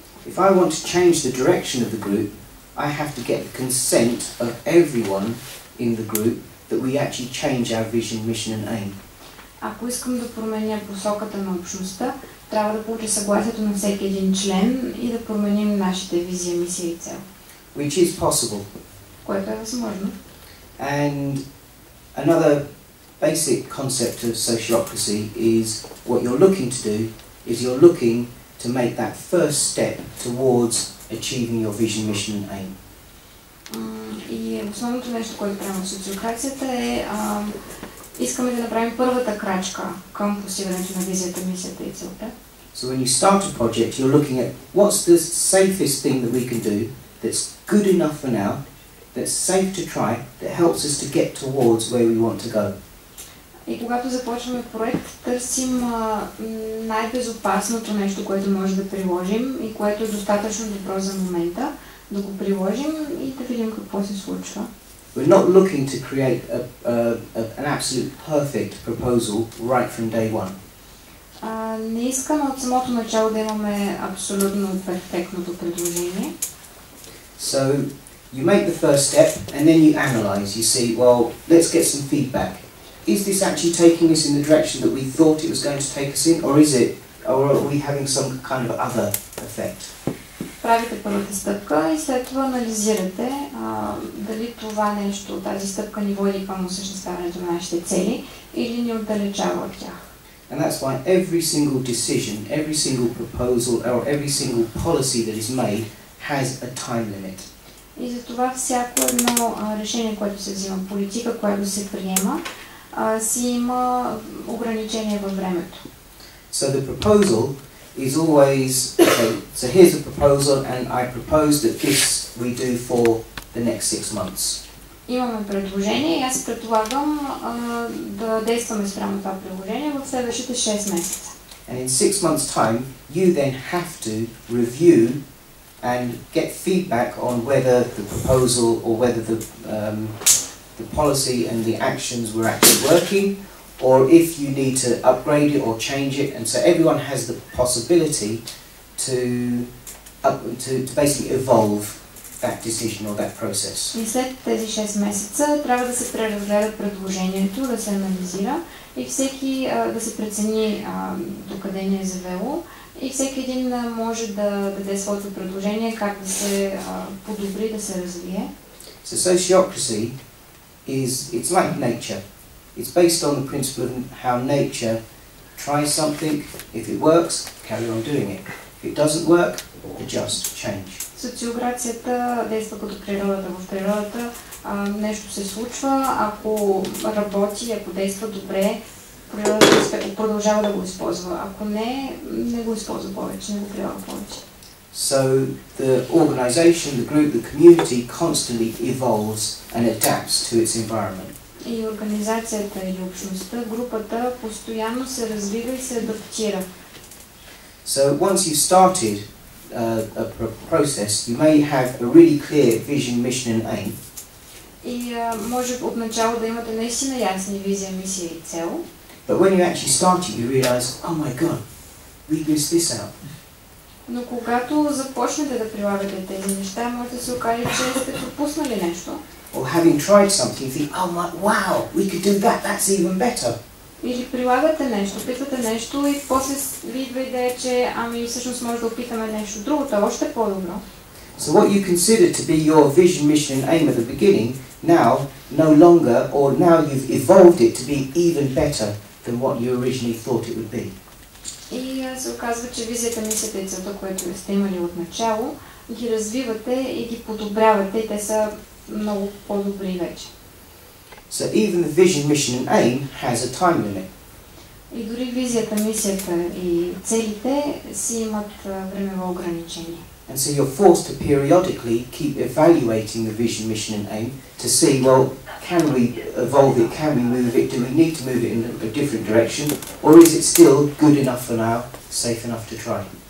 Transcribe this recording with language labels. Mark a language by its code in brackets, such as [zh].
[en] If I want to change the direction of the group, I have to get the consent of everyone in the group that we actually change our vision, mission and aim. [bg] Ако искам да променя посоката на общността, трябва да получи съгласието на всеки един член и да променим нашите визия, мисия и цел. [en] Which is possible. [bg] Което е възможно. [en] And another basic concept of sociocracy is what you're looking to do is you're looking to make that first step towards achieving your vision, mission and aim. [bg] И основното нещо, което правим в социокрацията е искаме да направим първата крачка към постигането на визията, мисията и целта. [en] So when you start a project, you're looking at what's the safest thing that we can do that's good enough for now, that's safe to try, that helps us to get towards where we want to go. [bg] И когато започваме проект, търсим най-безопасното нещо, което може да приложим и което е достатъчно добро за момента, да го приложим и да видим какво се случва. [en] We're not looking to create an absolute perfect proposal right from day one. [bg] Не искаме от самото начало да имаме абсолютно перфектното предложение. [en] So you make the first step and then you analyze. You see, well, let's get some feedback. Is this actually taking us in the direction that we thought it was going to take us in, or is it, or are we having some kind of other effect? [bg] Правите първата стъпка и след това анализирате дали това нещо, тази стъпка ни води към осъществяването на нашите цели или ни отдалечава от тях. [en] And that's why every single decision, every single proposal, or every single policy that is made has a time limit. [bg] И затова всяко едно решение, което се взима, политика, която се приема, си има ограничение във времето. [en] So the proposal is always, okay, so here's a proposal and I propose that this we do for the next 6 months. [bg] Имаме предложение и аз предлагам да действаме спрямо това предложение в следващите 6 месеца. [en] And in 6 months time, you then have to review and get feedback on whether the proposal or whether the policy and the actions were actually working or if you need to upgrade it or change it, and so everyone has the possibility to basically evolve that decision or that process. [bg] И след тези 6 месеца трябва да се преразгледа предложението, да се анализира и всеки да се прецени до къде ни е завело и всеки един може да даде своето предложение как да се подобри, да се развие. [en] So sociocracy is it's like nature. It's based on the principle of how nature tries something, if it works, carry on doing it. If it doesn't work, adjust, change. [bg] Социокрацията действа като природата. В природата нещо се случва, ако работи, ако действа добре, природата продължава да го използва. Ако не, не го използва повече, не го прилага повече. [en] So the organization, the group, the community constantly evolves and adapts to its environment. [bg] И организацията или общността, групата постоянно се развива и се адаптира. [en] So once you've started a process, you may have a really clear vision, mission and aim. [bg] И може от начало да имате наистина ясни визия, мисия и цел. [en] But when you actually start it, you realize, oh my god, we missed this out. [bg] Но когато започнете да прилагате тези неща, може да се окаже, че сте пропуснали нещо. [en] Or having tried something, you think, oh my, wow, we could do that, that's even better. [bg] Или прилагате нещо, опитвате нещо и после ви идва идея, че ами всъщност може да опитаме нещо друго, то е още по-добро. [en] So what you consider to be your vision, mission and aim at the beginning, now, no longer, or now you've evolved it to be even better than what you originally thought it would be. [bg] И се оказва, че визията, мислята и целта, което сте имали от начало, ги развивате и ги подобрявате и те са много по-добри вече. [en] So even the vision, mission and aim has a time limit. [bg] И дори визията, мисията и целите си имат времево ограничение. [en] And so you're forced to periodically keep evaluating the vision, mission and aim to see, well, can we evolve it, can we move it, do we need to move it in a different direction, or is it still good enough for now, safe enough to try?